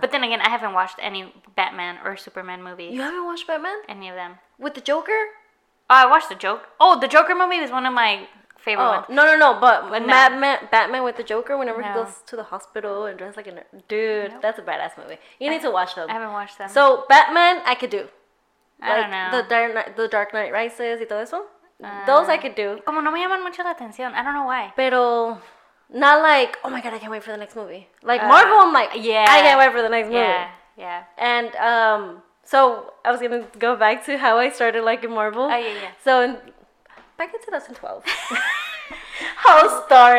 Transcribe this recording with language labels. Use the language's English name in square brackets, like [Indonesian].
[English] But then again, I haven't watched any Batman or Superman movies. You haven't watched Batman? Any of them. With the Joker? Oh, I watched the Joker. Oh, the Joker movie was one of my favorite ones. No. Batman with the Joker, whenever he goes to the hospital and dressed like a nerd. Dude, that's a badass movie. You need to watch them. I haven't watched them. So, Batman, I could do. I don't know. The Dark Knight Rises [Spanish] y todo eso. [English] Those I could do. [Spanish] Como no me llaman mucho la atención. [English] I don't know why. Pero, not like, oh my god, I can't wait for the next movie. Like, Marvel, I'm like, yeah, I can't wait for the next movie. Yeah. And, so, I was gonna go back to how I started liking Marvel. Oh, yeah. So, back in 2012. How story.